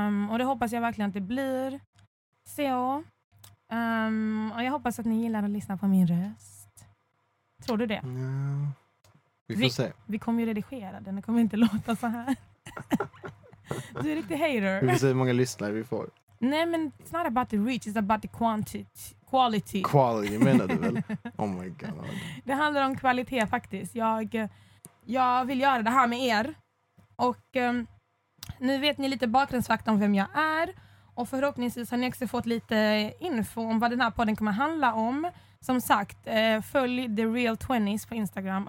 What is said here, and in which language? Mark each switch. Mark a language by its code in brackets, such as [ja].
[sv] Och det hoppas jag verkligen att det blir. Så. Och jag hoppas att ni gillar att lyssna på min röst. Tror du det? Ja. Yeah. Vi får se. Vi kommer ju redigera den. Det kommer inte låta så här. Du är riktig hater. Vi får se hur många lyssnare vi får. Nej, men [en] it's not about the reach, it's about the quality. Quality, [sv] menar du väl? [en] Oh my god. [sv] Det handlar om kvalitet faktiskt. Jag vill göra det här med er. Och nu vet ni lite bakgrundsfakta om vem jag är. Och förhoppningsvis har ni också fått lite info om vad den här podden kommer handla om. Som sagt, följ The Real 20s på Instagram.